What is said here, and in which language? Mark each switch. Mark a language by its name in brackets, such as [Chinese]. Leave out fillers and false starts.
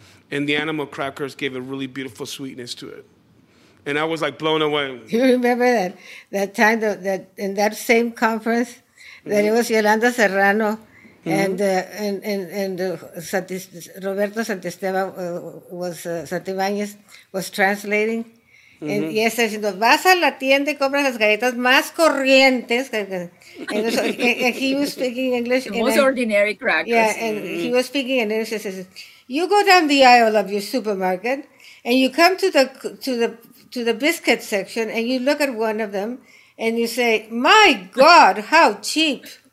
[English] And the animal crackers gave a really beautiful sweetness to it. And I was like blown away. You remember that time that in that same conference, mm-hmm. that it was Yolanda Serrano, mm-hmm. and Roberto Santisteva was Santibáñez was translating, mm-hmm. [Spanish] and yes, says, "No, vas a la tienda y compras las galletas más corrientes." [English] And he was speaking English. The most ordinary crackers. Yeah, and mm-hmm. he was speaking in English. He says, "You go down the aisle of your supermarket, and you come to the biscuit section, and you look at one of them, and you say, 'My God, how cheap!'"